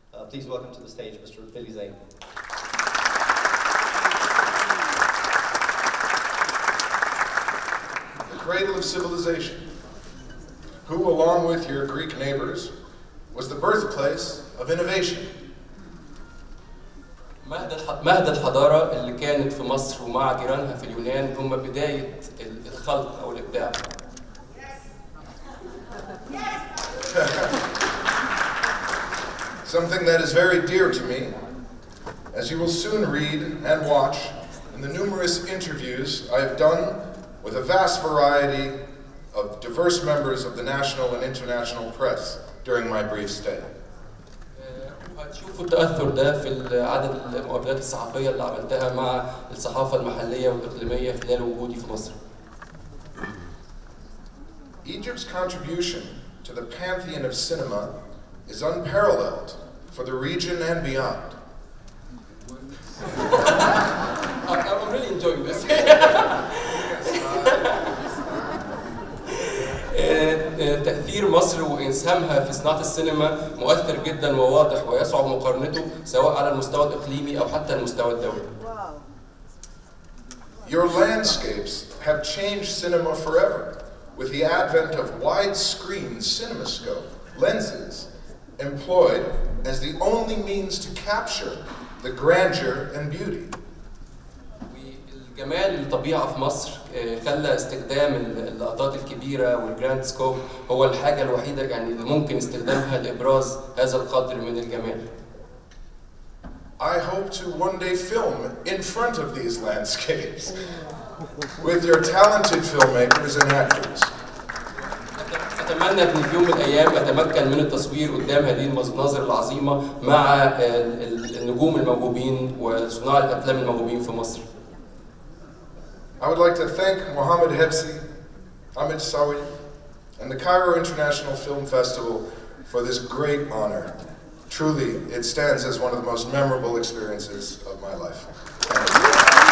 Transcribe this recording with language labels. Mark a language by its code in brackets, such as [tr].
[en] Please welcome to the stage, Mr. Bilie Zane. The cradle of civilization, who along with your Greek neighbors was the birthplace of innovation. [ar] مهد الحضارة اللي كانت في مصر ومع جيرانها في اليونان هم بداية الخلق أو الإبداع. [en] Yes. Yes. Something that is very dear to me, as you will soon read and watch in the numerous interviews I have done with a vast variety of diverse members of the national and international press during my brief stay. [ar] هتشوفوا التأثر ده في عدد المقابلات الصحفية اللي عملتها مع الصحافة المحلية والإقليمية خلال وجودي في مصر. [en] Egypt's contribution to the pantheon of cinema is unparalleled for the region and beyond. I'm really enjoying this. [ar] تأثير مصر وإنسهامها في صناعة السينما مؤثر جدا وواضح ويصعب مقارنته سواء على المستوى الإقليمي أو حتى المستوى الدولي. [en] Your landscapes have changed cinema forever with the advent of widescreen cinemascope lenses employed as the only means to capture the grandeur and beauty. [ar] جمال الطبيعة في مصر خلى استخدام اللقطات الكبيرة والجراند سكوب هو الحاجة الوحيدة يعني اللي ممكن استخدامها لإبراز هذا القدر من الجمال. [en] I hope to one day film in front of these landscapes with your talented filmmakers and actors. [ar] أتمنى في يوم من الأيام أتمكن من التصوير قدام هذه المناظر العظيمة مع النجوم الموهوبين وصناع الأفلام الموهوبين في مصر. [en] I would like to thank Mohamed Hepsi, Ahmed Sawi, and the Cairo International Film Festival for this great honor. Truly, it stands as one of the most memorable experiences of my life.